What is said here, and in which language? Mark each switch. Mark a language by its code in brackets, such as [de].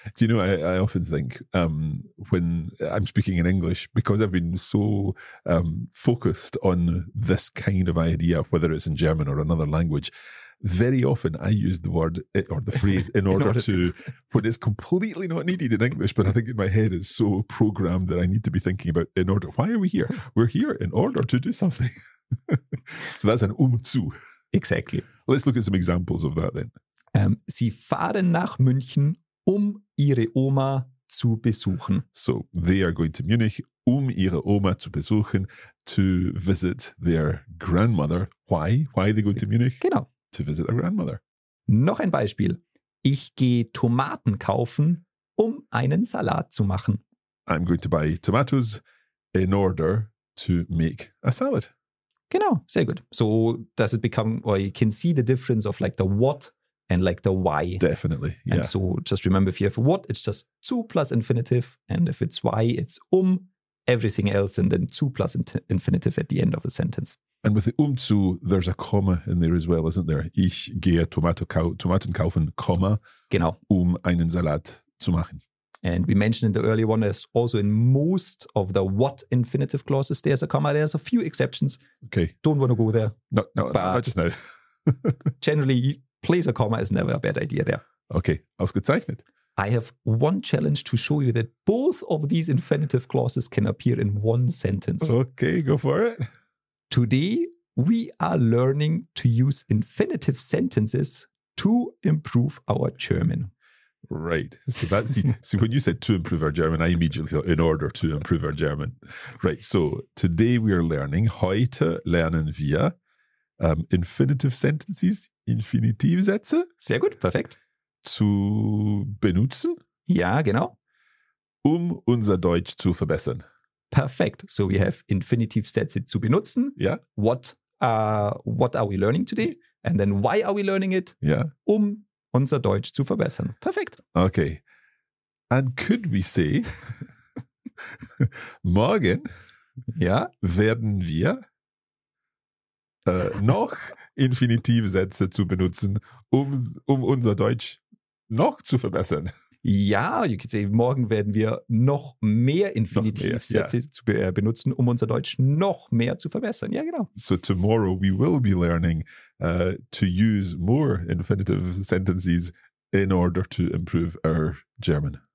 [en] Do you know, I often think when I'm speaking in English, because I've been so focused on this kind of idea, whether it's in German or another language, very often I use the word or the phrase in order to, when it's completely not needed in English, but I think in my head it's so programmed that I need to be thinking about in order. Why are we here? We're here in order to do something. So that's an zu. Exactly. Let's look at some examples of that then. [de] Sie fahren nach München, ihre Oma zu besuchen. [en] So they are going to Munich, [de] ihre Oma zu besuchen, [en] to visit their grandmother. Why? Why are they going to Munich? [de] Genau. [en] To visit their grandmother. [de] Noch ein Beispiel. Ich gehe Tomaten kaufen, einen Salat zu machen. [en] I'm going to buy tomatoes in order to make a salad. [de] Genau, sehr gut. [en] So does it become, or you can see the difference of like the what and like the why. Definitely, yeah. And so just remember, if you have what, it's just zu plus infinitive. And if it's why, it's everything else, and then zu plus infinitive at the end of the sentence. And with the zu, there's a comma in there as well, isn't there? [de] Ich gehe Tomaten kaufen, comma, genau, einen Salat zu machen. [en] And we mentioned in the earlier one, there's also in most of the what infinitive clauses, there's a comma. There's a few exceptions. Okay. Don't want to go there. No, I just know. Generally, place a comma is never a bad idea there. Okay, ausgezeichnet. I have one challenge to show you that both of these infinitive clauses can appear in one sentence. Okay, go for it. Today, we are learning to use infinitive sentences to improve our German. Right. So that's see, when you said to improve our German, I immediately thought in order to improve our German. Right. So today we are learning, [de] heute lernen wir, [en] infinitive sentences, Infinitivsätze. [de] Sehr gut, perfekt. Zu benutzen. Ja, genau. Unser Deutsch zu verbessern. [en] Perfect. So we have [de] Infinitivsätze zu benutzen. [en] Yeah. What are we learning today? And then why are we learning it? Yeah. [de] Um unser Deutsch zu verbessern. Perfect. [en] Okay. And could we say, [de] morgen werden wir noch Infinitivsätze zu benutzen, um unser Deutsch noch zu verbessern. Ja, [en] you could say, [de] morgen werden wir noch mehr Infinitivsätze benutzen, um unser Deutsch noch mehr zu verbessern. Ja, genau. [en] So tomorrow we will be learning to use more infinitive sentences in order to improve our German.